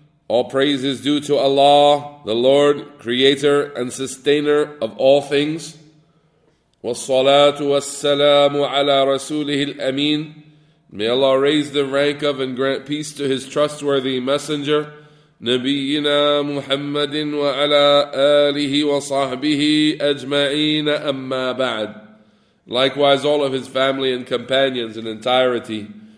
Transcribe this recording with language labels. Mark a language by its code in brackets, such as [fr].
[en] All praise is due to Allah, the Lord, Creator and Sustainer of all things. [ar] والصلاة والسلام على رسوله الأمين. [en] May Allah raise the rank of and grant peace to His trustworthy messenger, [ar] نبينا محمد وعلى آله وصحبه أجمعين أما بعد. [en] Likewise, all of his family and companions in entirety.